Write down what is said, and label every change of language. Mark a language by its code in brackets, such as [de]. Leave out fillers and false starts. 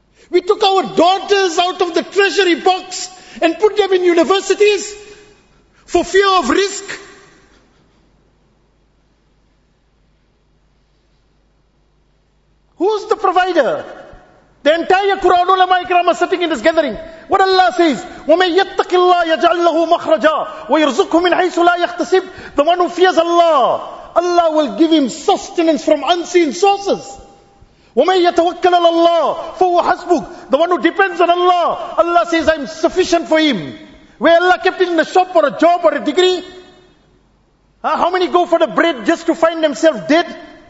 [en] We took our daughters out of the treasury box and put them in universities for fear of risk. Who's the provider? The entire Quran ulama ikram are sitting in this gathering. What Allah says, [ar] وَمَن يَتَّقِ اللَّهِ يَجْعَلْ لَهُ مَخْرَجًا وَيَرْزُقْهُ مِنْ حَيْسُ لَا يَخْتَسِبْ. [en] The one who fears Allah, Allah will give him sustenance from unseen sources. [ar] وَمَن يَتَوَكَّلْ عَلَى اللَّهِ فَهُوَ حَسْبُكْ. [en] The one who depends on Allah, Allah says, I'm sufficient for him. Where Allah kept him in a shop or a job or a degree? How many go for the bread just to find themselves dead?